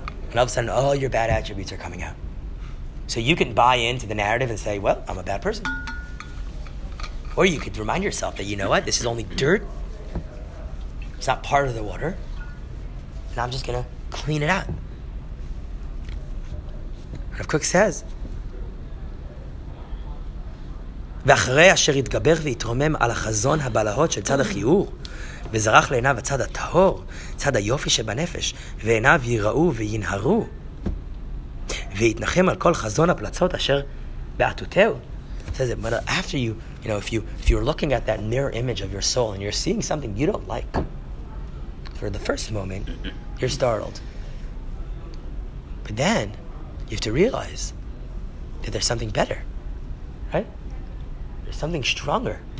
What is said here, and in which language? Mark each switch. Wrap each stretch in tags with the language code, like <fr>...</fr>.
<en>And all of a sudden, all your bad attributes are coming out. So you can buy into the narrative and say, well, I'm a bad person. Or you could remind yourself that, you know what? This is only dirt. It's not part of the water. And I'm just going to clean it out. Rav Kook says,</en> <he>ואחרי אשר יתגבר ויתרומם על החזון הבלהות של צד החיור, וזרח לעיניו הצד הטהור, צד היופי שבנפש, ועיניו ייראו וינהרו, ויתנחם על כל חזון הפלצות אשר בעתותיו.</he> <en>Says it, but after you, you know, if you're looking at that mirror image of your soul and you're seeing something you don't like, for the first moment, you're startled. But then, you have to realize that there's something better, right? There's something stronger.</en>